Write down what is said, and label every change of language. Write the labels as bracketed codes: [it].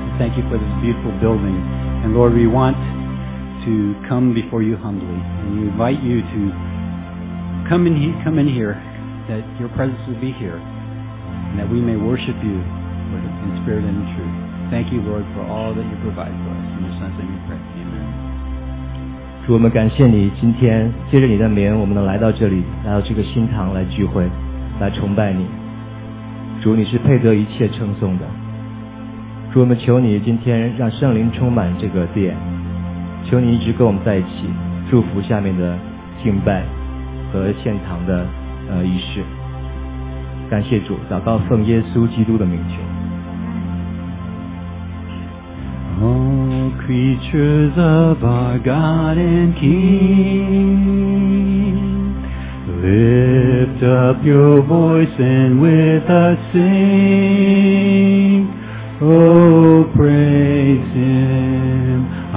[en] Thank you for this beautiful building. And Lord, we want to come before you humbly. And we invite you to come in here, that your presence will be here, and that we may worship you in spirit and in truth. Thank you, Lord, for all that you provide for us. In your Son's name we pray. Amen. [zh] 主，我们感谢你，今天借着你的名，我们能来到这里，来到这个新堂来聚会，来崇拜你。主，你是配得一切称颂的。主，我们求你今天让圣灵充满这个殿，求你一直跟我们在一起，祝福下面的敬拜和献堂的仪式。感谢主，祷告奉耶稣基督的名求。 [en] All creatures of our God and King, lift up your voice and with us sing. Oh, praise Him,